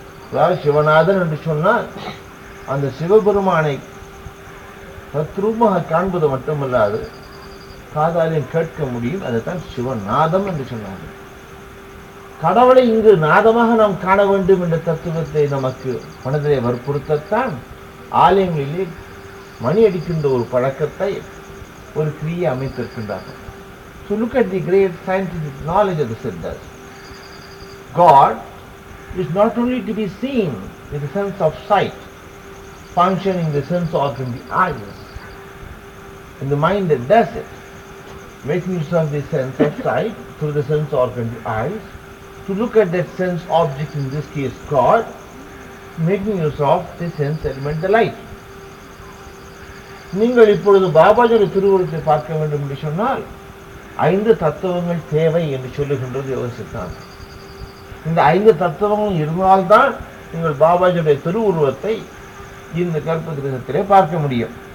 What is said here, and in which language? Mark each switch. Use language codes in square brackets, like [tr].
[ta] அதாவது சிவநாதன் என்று சொன்னால் அந்த சிவபெருமானை தத்ரூபமாக காண்பது மட்டுமல்லாது காதாலையும் கேட்க முடியும். அதைத்தான் சிவநாதம் என்று சொன்னார்கள். கடவுளை இங்கு நாதமாக நாம் காண வேண்டும் என்ற தத்துவத்தை நமக்கு மனதிலே வற்புறுத்தத்தான் ஆலயங்களிலே மணி அடிக்கின்ற ஒரு பழக்கத்தை ஒரு கிரியை அமைத்திருக்கின்றார்கள். [en] So look at the great scientific knowledge of the Siddhas. God is not only to be seen with the sense of sight, functioning the sense organ, the eyes, and the mind that does it, making use of the sense of sight through the sense organ, the eyes, to look at that sense object, in this case God, making use of the sense element, the light. [ta] நீங்கள் இப்பொழுது பாபாஜியோட திருவுருவத்தை பார்க்க வேண்டும் என்று சொன்னால் ஐந்து தத்துவங்கள் தேவை என்று சொல்லுகின்றது யோக சித்தாந்தம். இந்த ஐந்து தத்துவங்களும் இருந்தால்தான் நீங்கள் பாபாஜியுடைய திருவுருவத்தை இந்த கற்ப கிரகத்திலே பார்க்க முடியும்.